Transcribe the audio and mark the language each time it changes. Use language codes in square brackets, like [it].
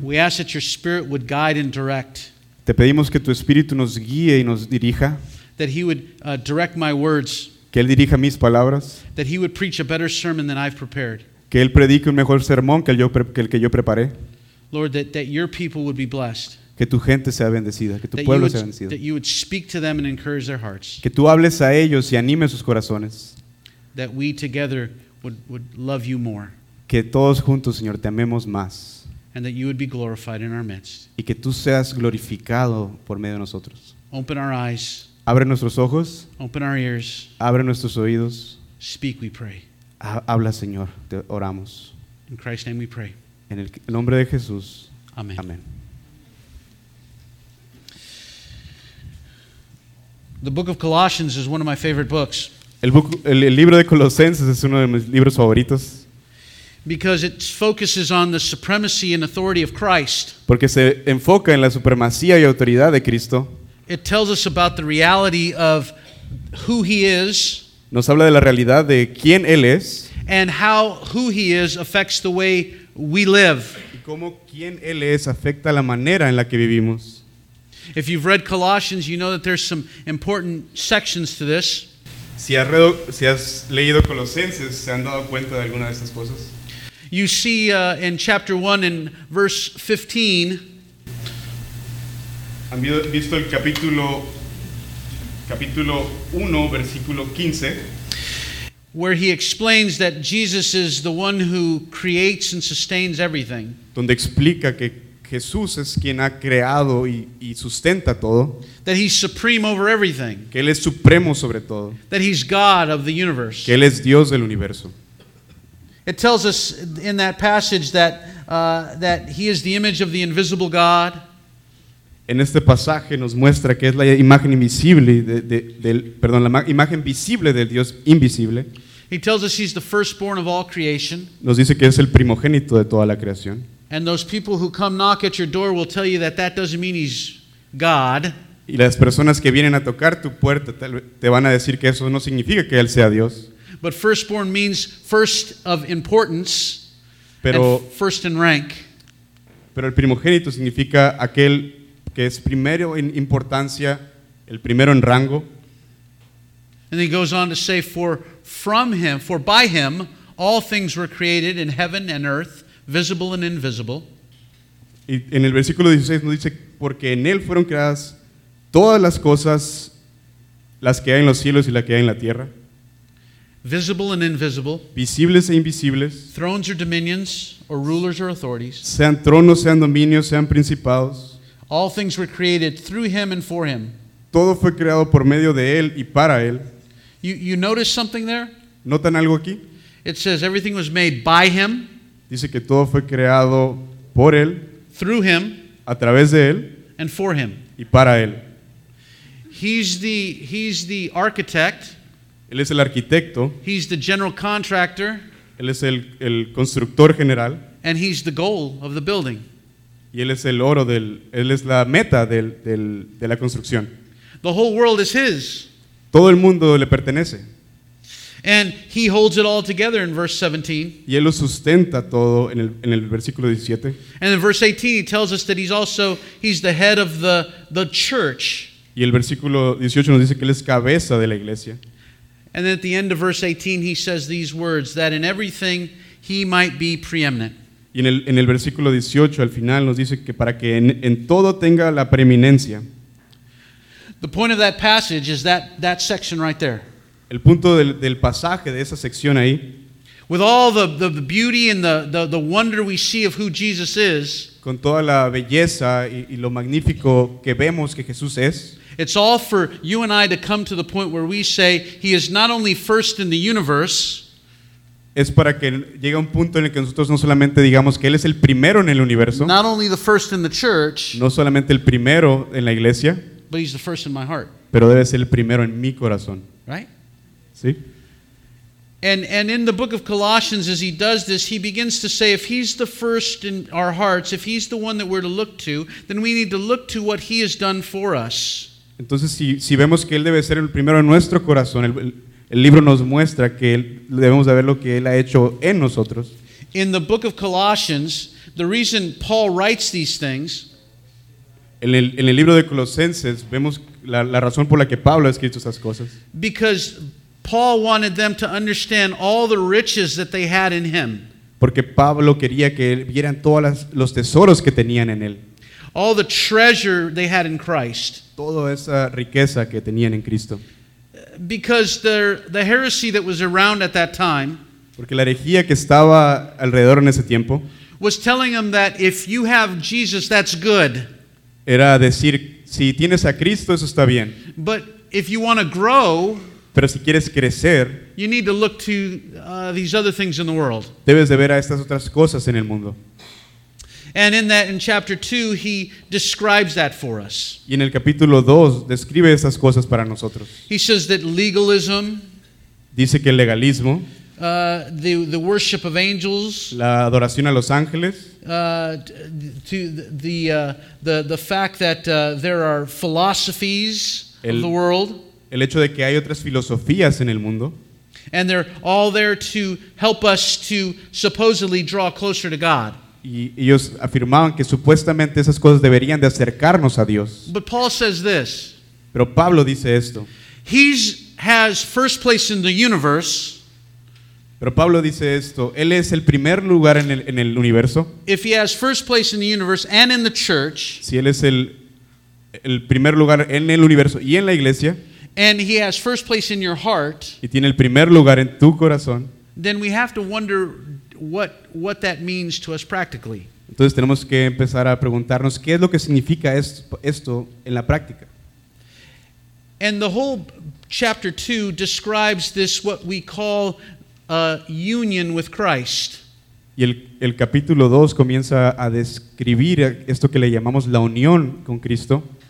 [en] We ask that your spirit would guide and direct. [es] Te pedimos que tu espíritu nos guíe y nos dirija. [en] That he would direct my words. [es] Que él dirija mis palabras. [en] That he would preach a better sermon than I've prepared. [es] Que él predique un mejor sermón que el que yo preparé. [en] Lord, that your people would be blessed. [es] Que tu gente sea bendecida, que tu pueblo sea bendecido. [en] That you would speak to them and encourage their hearts. [es] Que tú hables a ellos y animes sus corazones. [en] That we together would love you more. [es] Que todos juntos, Señor, te amemos más. [en] And that you would be glorified in our midst. [es] Y que tú seas glorificado por medio de nosotros. [en] Open our eyes. [es] Abre nuestros ojos. [en] Open our ears. [es] Abre nuestros oídos. [en] Speak, we pray. [es] Habla, Señor, te oramos. [en] In Christ's name we pray. [es] En el nombre de Jesús. [en] Amén. [es] Amén. [en] The book of Colossians is one of my favorite books. [es] El libro de Colosenses es uno de mis libros favoritos. [en] Because it focuses on the supremacy and authority of Christ. [es] Porque se enfoca en la supremacía y autoridad de Cristo. [en] It tells us about the reality of who he is. [es] Nos habla de la realidad de quién él es. [en] And how who he is affects the way we live. [es] Y cómo quién él es afecta la manera en la que vivimos. [en] If you've read Colossians, you know that there's some important sections to this. [es] Si has leído Colosenses, ¿se han dado cuenta de alguna de estas cosas? [en] You see in chapter 1 in verse 15. [es] ¿Han visto el capítulo 1, versículo 15? [en] Where he explains that Jesus is the one who creates and sustains everything. [es] Donde explica que Jesús es quien ha creado y sustenta todo. [en] That he's supreme over everything. [es] Que él es supremo sobre todo. [en] That he's God of the universe. [es] Que él es Dios del universo. [en] It tells us in that passage that that he is the image of the invisible God. [es] En este pasaje nos muestra que es la imagen invisible la imagen visible del Dios invisible. [en] He tells us he's the firstborn of all creation. [es] Nos dice que es el primogénito de toda la creación. [en] And those people who come knock at your door will tell you that doesn't mean he's God. [es] Y las personas que vienen a tocar tu puerta te van a decir que eso no significa que él sea Dios. [en] But firstborn means first of importance. [es] Pero, [en] and first in rank. [es] Pero el primogénito significa aquel que es primero en importancia, el primero en rango. [en] And he goes on to say, for by him all things were created in heaven and earth. Visible and invisible. [es] Y en el versículo 16 nos dice, porque en él fueron creadas todas las cosas, las que hay en los cielos y las que hay en la tierra. [en] Visible and invisible. [es] Visibles e invisibles. [en] Thrones or dominions, or rulers or authorities. [es] Sean tronos, sean dominios, sean principados. [en] All things were created through him and for him. [es] Todo fue creado por medio de él y para él. [en] You notice something there? [es] ¿Notan algo aquí? [en] It says everything was made by him. [es] Dice que todo fue creado por él, [en] through him, [es] a través de él, [en] and for him, [es] y para él. [en] He's the architect. [es] Él es el arquitecto. [en] He's the general contractor. [es] Él es el constructor general. [en] And he's the goal of the building. [es] Y él es el oro del, él es la meta del de la construcción. [en] The whole world is his. [es] Todo el mundo le pertenece. [en] And he holds it all together in verse 17. [es] Y él lo sustenta todo en el versículo 17. [en] And in verse 18 he tells us that he's the head of the church. [es] Y el versículo 18 nos dice que él es cabeza de la iglesia. [en] And then at the end of verse 18 he says these words, that in everything he might be preeminent. [es] Y en el versículo 18 al final nos dice que para que en todo tenga la preeminencia. [en] The point of that passage is that section right there. [es] El punto del pasaje de esa sección ahí. [en] With all the beauty and the wonder we see of who Jesus is. [es] Con toda la belleza y lo magnífico que vemos que Jesús es. [en] It's all for you and I to come to the point where we say he is not only first in the universe. [es] Es para que llegue a un punto en el que nosotros no solamente digamos que él es el primero en el universo. [en] Not only the first in the church. [es] No solamente el primero en la iglesia. [en] But he's the first in my heart. [es] Pero debe ser el primero en mi corazón. [en] Right? [es] ¿Sí? [en] And in the book of Colossians, as he does this, he begins to say, if he's the first in our hearts, if he's the one that we're to look to, then we need to look to what he has done for us. [es] Entonces, si vemos que él debe ser el primero en nuestro corazón, el libro nos muestra que debemos de ver lo que él ha hecho en nosotros. [en] In the book of Colossians, the reason Paul writes these things, [es] en el libro de Colosenses, vemos la razón por la que Pablo ha escrito esas cosas. [en] Because Paul wanted them to understand all the riches that they had in him. [es] Porque Pablo quería que vieran todos los tesoros que tenían en él. [en] All the treasure they had in Christ. [es] Toda esa riqueza que tenían en Cristo. [en] Because the heresy that was around at that time, [es] porque la herejía que estaba alrededor en ese tiempo, [en] was telling them that if you have Jesus, that's good. [es] Era decir, si tienes a Cristo, eso está bien. [en] But if you want to grow, [es] pero si quieres crecer, [en] you need to look to these other things in the world. [es] Debes de ver a estas otras cosas en el mundo. [en] And in that, in chapter 2, he describes that for us. [es] Y en el capítulo 2, describe esas cosas para nosotros. [en] He says that legalism, [es] dice que el legalismo, [en] the worship of angels, [es] la adoración a los ángeles, [en] the fact that there are philosophies of the world, [es] el hecho de que hay otras filosofías en el mundo, [en] and they're all there to help us to supposedly draw closer to God. [es] Y ellos afirmaban que supuestamente esas cosas deberían de acercarnos a Dios. [en] But Paul says this. [es] Pero Pablo dice esto. [en] He has first place in the universe. [es] Pero Pablo dice esto. Él es el primer lugar en el universo. [en] If he has first place in the universe and in the church. [es] Si él es el primer lugar en el universo y en la iglesia. [en] And he has first place in your heart. [es] Y tiene el primer lugar en tu corazón. [en] Then we have to wonder what that means to us practically. [es] Entonces tenemos que empezar a preguntarnos qué es lo que significa esto en la práctica. [en] And the whole chapter 2 describes this what we call a union with Christ. [es] Y el capítulo 2 comienza a describir esto que le llamamos la unión con Cristo.